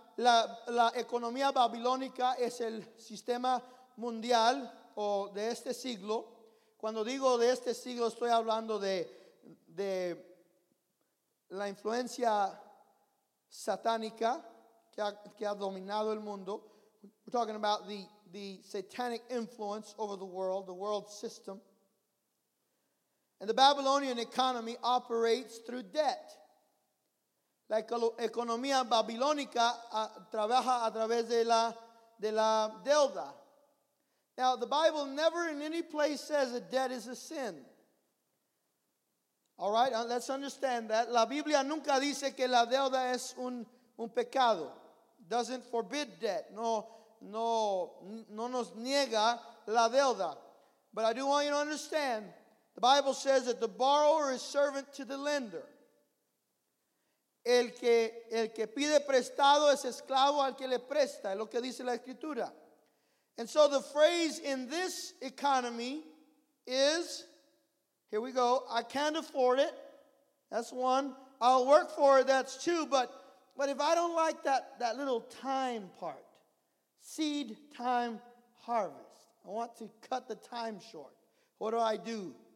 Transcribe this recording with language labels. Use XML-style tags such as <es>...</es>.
<es>La economía babilónica es el sistema mundial o de este siglo. Cuando digo de este siglo, estoy hablando de la influencia satánica que ha dominado el mundo.</es> <en>We're talking about the satanic influence over the world system. And the Babylonian economy operates through debt.</en> <es>La economía babilónica trabaja a través de la deuda.</es> <en>Now, the Bible never in any place says that debt is a sin. All right, let's understand that.</en> <es>La Biblia nunca dice que la deuda es un pecado.</es> <en>Doesn't forbid debt.</en> <es>No nos niega la deuda.</es> <en>But I do want you to understand, the Bible says that the borrower is servant to the lender.</en> <es>El que pide prestado es esclavo al que le presta, es lo que dice la escritura.</es> <en>And so the phrase in this economy is, here we go, I can't afford it, that's one. I'll work for it, that's two. But if I don't like that little time part, seed, time, harvest, I want to cut the time short, what do I do?</en>